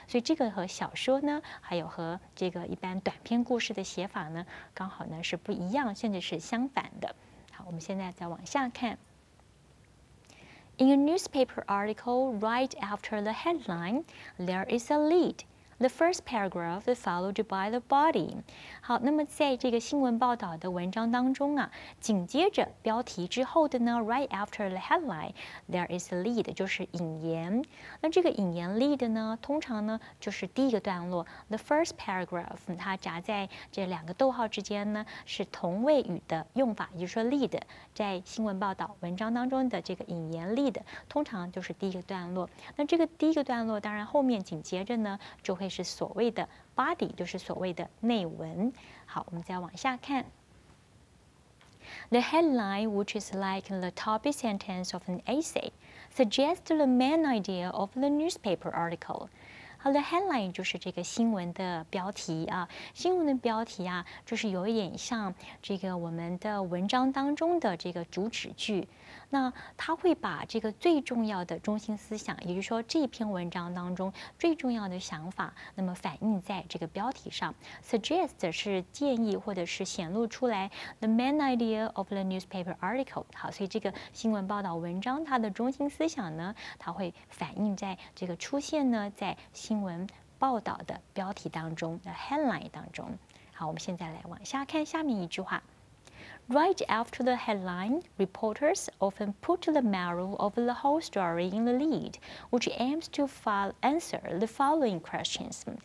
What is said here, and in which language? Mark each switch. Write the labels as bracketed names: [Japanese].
[Chinese] 所以这个和小说呢，还有和这个一般短篇故事的写法呢，刚好呢是不一样，甚至是相反的。好，我们现在再往下看。 [English] In a newspaper article right after the headline, there is a lead. The first paragraph is followed by the body. [Chinese] 好，那么在这个新闻报道的文章当中啊，紧接着标题之后的呢 ， [English] right after the headline, there is a lead, [Chinese] 就是引言。那这个引言 lead 呢，通常呢就是第一个段落 ， [English] the first paragraph, [Chinese] 它夹在这两个逗号之间呢，是同位语的用法，也就是说 lead 在新闻报道文章当中的这个引言 lead, 通常就是第一个段落。那这个第一个段落，当然后面紧接着呢，就会是所谓的 body, 就是所谓的内文。好，我们再往下看。 [English] The headline, which is like the top sentence of an essay, suggests the main idea of the newspaper article. [Chinese] 好的 ，headline 就是这个新闻的标题啊。新闻的标题啊，就是有一点像这个我们的文章当中的这个主旨句。那它会把这个最重要的中心思想，也就是说这篇文章当中最重要的想法，那么反映在这个标题上。 [English] Suggest [Chinese] 是建议或者是显露出来 [English] ，the main idea of the newspaper article。 [Chinese] 好，所以这个新闻报道文章它的中心思想呢，它会反映在这个出现呢在新闻报道的标题当中的 headline 当中。好，我们现在来往下看下面一句话。 [English] Right after the headline, reporters often put the marrow of the whole story in the lead, which aims to answer the following questions.